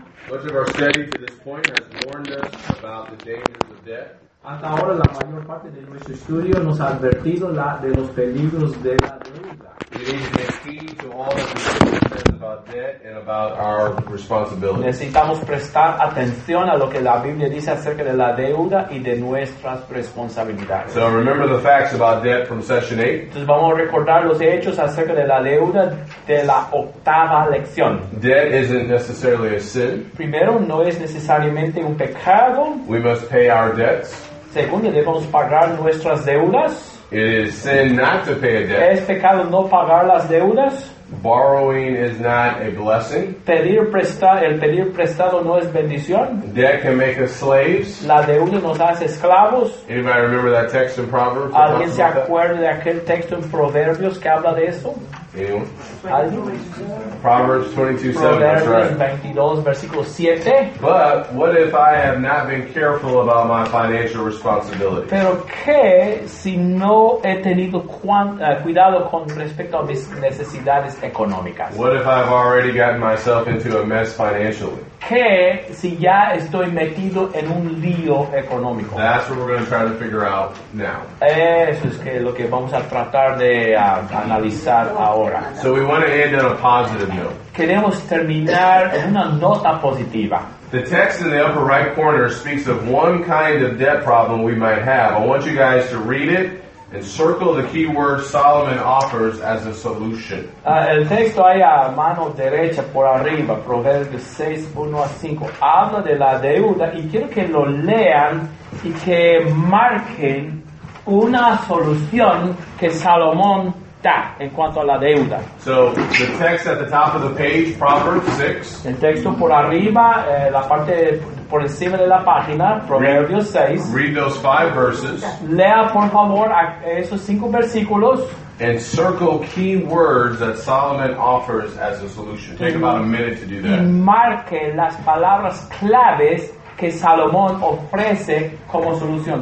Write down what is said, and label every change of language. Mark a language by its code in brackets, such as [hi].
[en] Much of our study to this point has warned us about the dangers of debt. [es] Hasta ahora, la mayor parte de nuestro estudio nos ha advertido de los peligros de la deuda. [en] It is the key to all that we said about debt and about our responsibility. [es] Necesitamos prestar atención a lo que la Biblia dice acerca de la deuda y de nuestras responsabilidades. [en] So remember the facts about debt from session 8. [es] Entonces vamos a recordar los hechos acerca de la deuda de la octava lección. [en] Debt isn't necessarily a sin. [es] Primero, no es necesariamente un pecado. [en] We must pay our debts. [es] Segundo, debemos pagar nuestras deudas. [en] It is sin not to pay a debt. [es] Es pecado no pagar las deudas. [en] Borrowing is not a blessing. [es] El pedir prestado no es bendición. [en] Debt can make us slaves. [es] La deuda nos hace esclavos. [en] Anybody remember that text in Proverbs? [es] ¿Alguien se acuerda de aquel texto en Proverbios que habla de eso? [en] Anyone? Proverbs 22:7, that's right. [es] 22, versículo 7. [en] But what if I have not been careful about my financial responsibility? [es] Pero qué si no he tenido cuidado con respecto a mis necesidades económicas? [en] What if I've already gotten myself into a mess financially? [es] Qué si ya estoy metido en un lío económico? [en] That's what we're going to try to figure out now. [es] Eso es que lo que vamos a tratar de analizar ahora. [en] So we want to end on a positive note. [es] Queremos terminar en una nota positiva. [en] The text in the upper right corner speaks of one kind of debt problem we might have. I want you guys to read it and circle the key word Solomon offers as a solution. [es] El texto ahí a mano derecha por arriba, Proverbios 6:1-5, habla de la deuda y quiero que lo lean y que marquen una solución que Salomón da en cuanto a la deuda. [en] So, the text at the top of the page, Proverbs 6. [es] El texto por arriba, la parte por encima de la página, Proverbios 6. [en] Read those 5 verses. [es] Lea, por favor, esos 5 versículos. [en] And circle key words that Solomon offers as a solution. Take about a minute to do that. [es] Y marque las palabras claves que Salomón ofrece como solución.